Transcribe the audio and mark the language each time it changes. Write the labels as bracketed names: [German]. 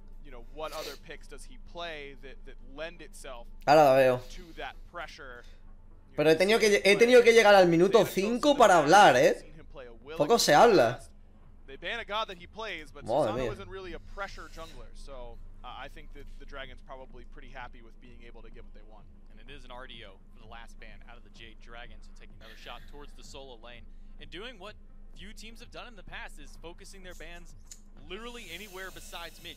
[English] You know, what other picks does he play that lend itself to that pressure? [Spanish] Pero he tenido que llegar al minuto 5 para hablar, ¿eh? Poco se habla. [English] They ban a god that he plays, but Susano isn't really a pressure jungler, so... I think that the dragon's probably pretty happy with being able to get what they want. And it is an RDO for the last ban out of the Jade Dragons to take another shot towards the solo lane. And doing what few teams have done in the past is focusing their bans literally anywhere besides mid.